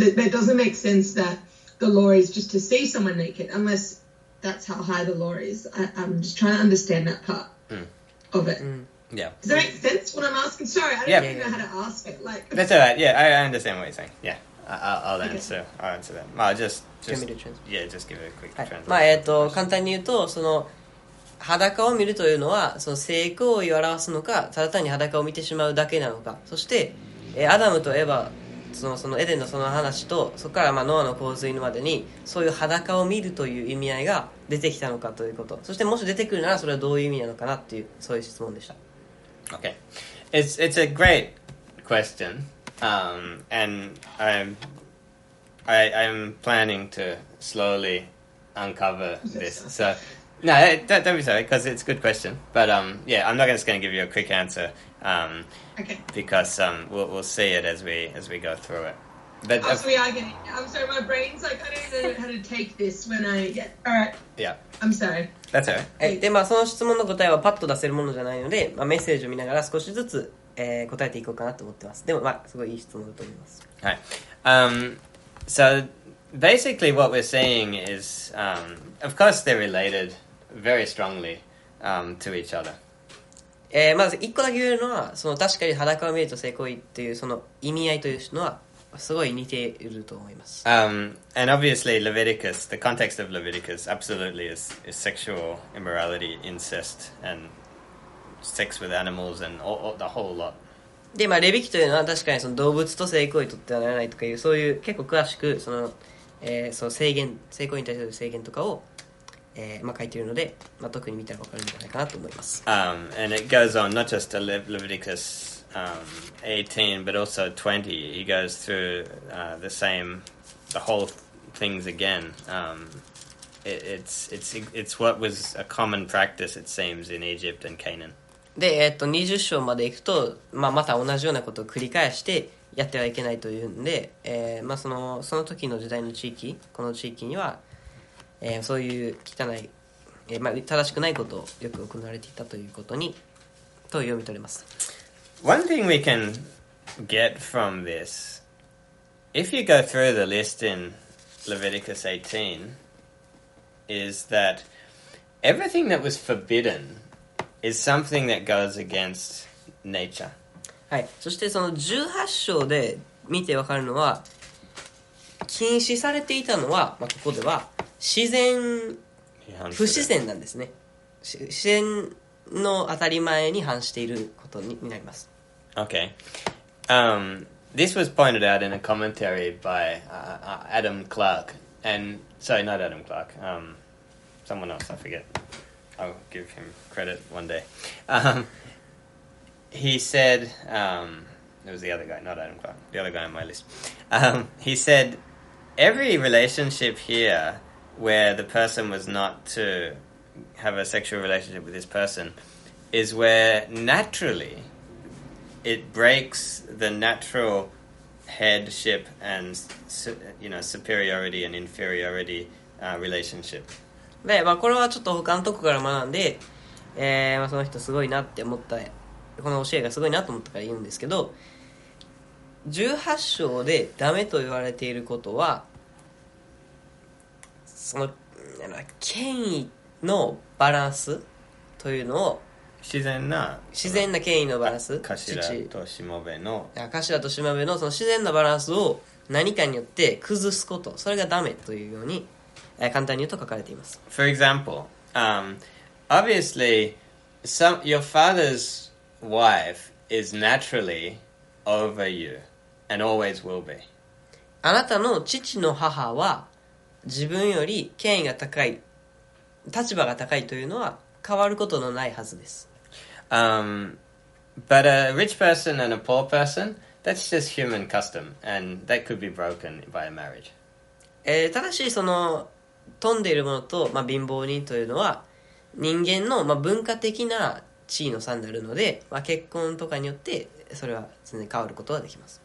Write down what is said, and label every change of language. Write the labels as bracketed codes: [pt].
[en] Because it doesn't make sense that the law is just to see someone naked, unless that's how high the law is. I'm just trying to understand that part of it. Yeah. Does that make sense what I'm asking? Sorry, I don't know how to ask it. That's alright. Yeah, I understand what you're saying. Yeah, I'll answer. Okay. I'll answer that. Well, just give it a quick translation. [ja] まあ簡単に言うと、その裸を見るというのはその性行為を表すのか、ただ単に裸を見てしまうだけなのか。そしてアダムとエヴァ、そのエデンのその話とそこからまあノアの洪水のまでにそういう裸を見るという意味合いが出てきたのかということ、そしてもし出てくるならそれはどういう意味なのかなっていう、そういう質問でした。 [en] Okay, it's a great question, and I'm planning to slowly uncover this, so no, don't be sorry because it's a good question, but yeah, I'm not just going to give you a quick answer. Because we'll see it as we go through it. But as we are getting, I'm sorry, my brain's like, I don't even know how to take this when I get. All right. Yeah. I'm sorry. That's all right. [ja] でまあその質問の答えはパッと出せるものじゃないので、まあメッセージを見ながら少しずつ答えていこうかなと思ってます。でもまあすごいいい質問だと思います。はい。 [en] So basically what we're saying is, of course they're related very strongly, to each other. [ja] まず一個だけ言うのは、その確かに裸を見ると性行為っていうその意味合いというのはすごい似ていると思います。 [en] And obviously Leviticus, the context of Leviticus absolutely is sexual immorality, incest and sex with animals and all, the whole lot. [ja] で、まあ、レビキというのは確かにその動物と性行為とってはならないとかいう、そういう結構詳しくその、その制限、性行為に対する制限とかを、まあ、書いているので、まあ、特に見たら分かるんじゃないかなと思います。 [en] And it goes on not just to Leviticus 18 but also 20. He goes through the same, the whole things again. It's what was a common practice, it seems, in Egypt and Canaan. [ja] で、20章まで行くと、まあ、また同じようなことを繰り返してやってはいけないというんで、まあ、その時の時代の地域、この地域には、そういう汚い、まあ、正しくないことをよく行われていたということにと読み取れます。 [en] One thing we can get from this, if you go through the list in Leviticus 18, is that everything that was forbidden is something that goes against nature. [ja] はい。そしてその18章で見てわかるのは、禁止されていたのは、まあ、ここでは自然、不自然なんですね。自然の当たり前に反していることになります。 [en] Okay. This was pointed out in a commentary by Adam Clark. And sorry, not Adam Clark. Someone else, I forget. I'll give him credit one day. He said, it was the other guy, not Adam Clark, the other guy on my list. He said, every relationship here where the person was not to have a sexual relationship with this person is where naturally it breaks the natural headship and, you know, superiority and inferiority relationship. [ja] で、まあ、これはちょっと他のとこから学んで、まあ、その人すごいなって思った、この教えがすごいなと思ったから言うんですけど、18章でダメと言われていることは、その、なんか権威のバランスというのを、自然な権威のバランス、頭としもべのその自然なバランスを何かによって崩すこと、それがダメというように、簡単に言うと書かれています。 [en] For example, obviously your father's wife is naturally over you and always will be. [ja] あなたの父の母は自分より権威が高い、立場が高いというのは変わることのないはずです。 [en] But a rich person and a poor person, that's just human custom and that could be broken by a marriage. [ja] ただしその富んでいるものと、まあ、貧乏人というのは人間の、まあ、文化的な地位の差になるので、まあ、結婚とかによってそれは常に変わることはできます。